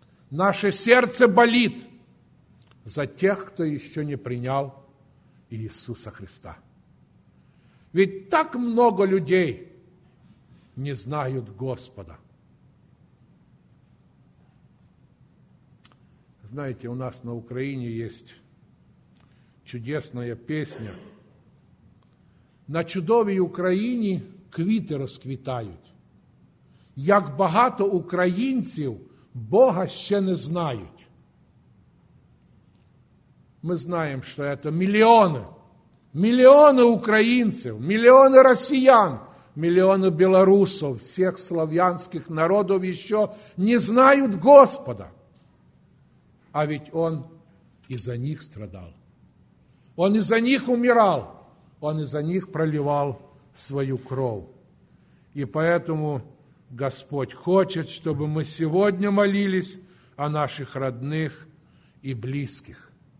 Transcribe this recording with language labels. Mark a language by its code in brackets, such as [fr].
[ru] Наше сердце болит за тех, кто еще не принял Иисуса Христа. Ведь так много людей не знают Господа. Знаете, у нас на Украине есть чудесная песня. [uk] На чудовій Україні квіти розквітають. Як багато українців Бога ще не знають. Ми знаємо, що це мільйони. Мільйони українців, мільйони росіян, мільйони білорусів, всіх слов'янських народів ще не знають Господа. [ru] А ведь Он и за них страдал. Он и за них умирал. Он и за них проливал свою кровь. И поэтому Господь хочет, чтобы мы сегодня молились о наших родных и близких.